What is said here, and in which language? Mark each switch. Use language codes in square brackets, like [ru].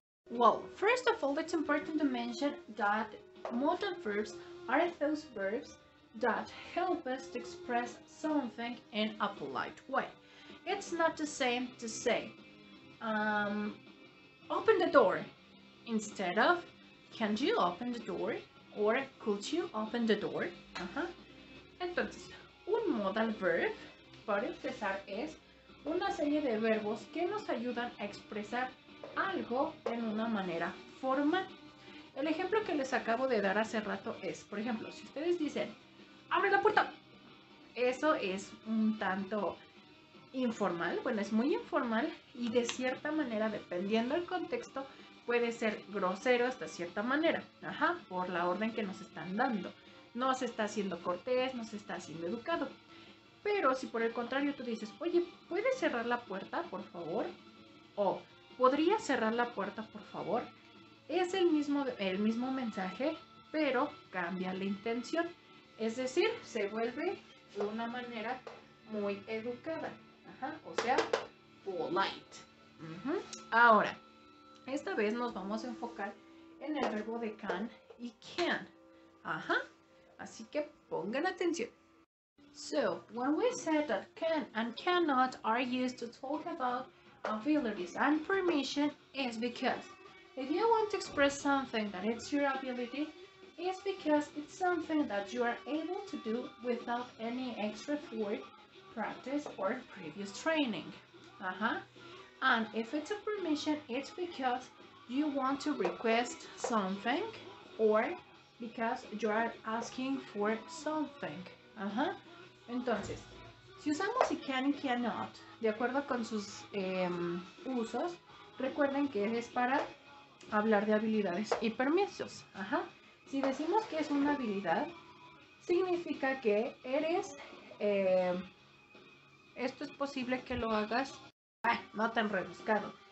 [en] Well, first of all, it's important to mention that modal verbs are those verbs that help us to express something in a polite way. It's not the same to say open the door instead of can you open the door or could you open the door. [es] Entonces, un modal verb, para empezar, es una serie de verbos que nos ayudan a expresar algo en una manera formal. El ejemplo que les acabo de dar hace rato es, por ejemplo, si ustedes dicen ¡abre la puerta! Eso es un tanto informal, bueno, es muy informal y de cierta manera, dependiendo del contexto, puede ser grosero hasta cierta manera, ajá, por la orden que nos están dando. No se está haciendo cortés, no se está haciendo educado. Pero si por el contrario tú dices, oye, ¿puedes cerrar la puerta, por favor? O, ¿podrías cerrar la puerta, por favor? Es el mismo mensaje, pero cambia la intención. Es decir, se vuelve de una manera muy educada. Ajá, o sea, polite. Ahora, esta vez nos vamos a enfocar en el verbo de can y can. Ajá, así que pongan atención. [en] So, when we said that can and cannot are used to talk about abilities and permission, is because if you want to express something that it's your ability, it's because it's something that you are able to do without any extra effort, practice, or previous training. And if it's a permission, it's because you want to request something or because you are asking for something. [es] Entonces, si usamos y can y cannot, de acuerdo con sus usos, recuerden que es para hablar de habilidades y permisos. Si decimos que es una habilidad, significa que eres, esto es posible que lo hagas, no tan rebuscado.